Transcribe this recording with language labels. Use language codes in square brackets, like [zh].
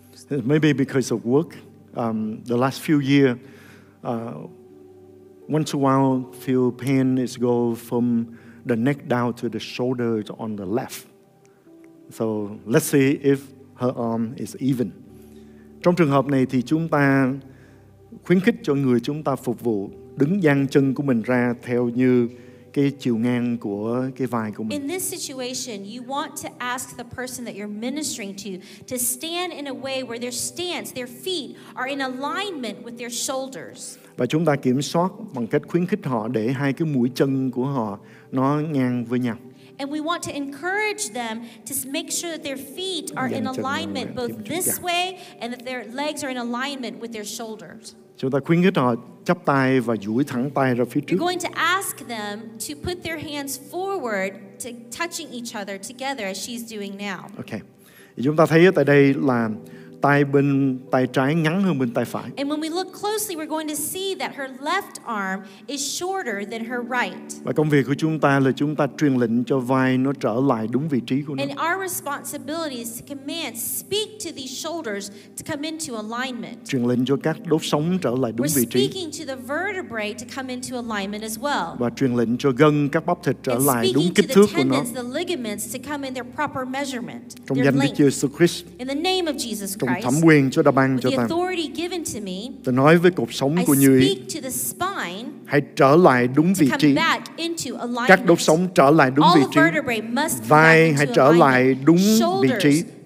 [en] Maybe because of work, the last few years, once in a while, feel pain is go from the neck down to the shoulders on the left. So let's see if her arm is even. [vi] Trong trường hợp này thì chúng ta khuyến khích cho người chúng ta phục vụ đứng dang chân của mình ra theo như cái chiều ngang của cái vai của mình. [en] In this situation, you want to ask the person that you're ministering to stand in a way where their stance, their feet are in alignment with their shoulders. [vi] Và chúng ta kiểm soát bằng cách khuyến khích họ để hai cái mũi chân của họ nó ngang với nhau. [en] And we want to encourage them to make sure that their feet are in alignment both this way and that their legs are in alignment with their shoulders. [vi] Chúng ta khuyến khích họ chắp tay và duỗi thẳng tay ra phía trước. [en] You're going to ask them to put their hands forward to touching each other together as she's doing now. Okay. [vi] Chúng ta thấy ở tại đây là tay bên tay trái ngắn hơn bên tay phải. [en] And when we look closely, we're going to see that her left arm is shorter than her right. [vi] Và công việc của chúng ta là chúng ta truyền lệnh cho vai nó trở lại đúng vị trí của nó. [en] And our responsibility is to command, speak to these shoulders to come into alignment. [vi] Truyền lệnh cho các đốt sống trở lại đúng vị trí. [en] We're speaking to the vertebrae to come into alignment as well. [vi] Và truyền lệnh cho gân các bắp thịt trở lại đúng kích thước của nó. [en] The ligaments to come in their proper measurement. [vi] Trong danh Đức Chúa Jesus Christ. [en] In the name of Jesus Christ. [vi] Thẩm quyền Chúa đã ban cho ta. Ta nói với cột sống của Như Ý, hãy trở lại đúng vị trí. Các đốt sống trở lại đúng vị trí. Vai hãy trở lại đúng vị trí.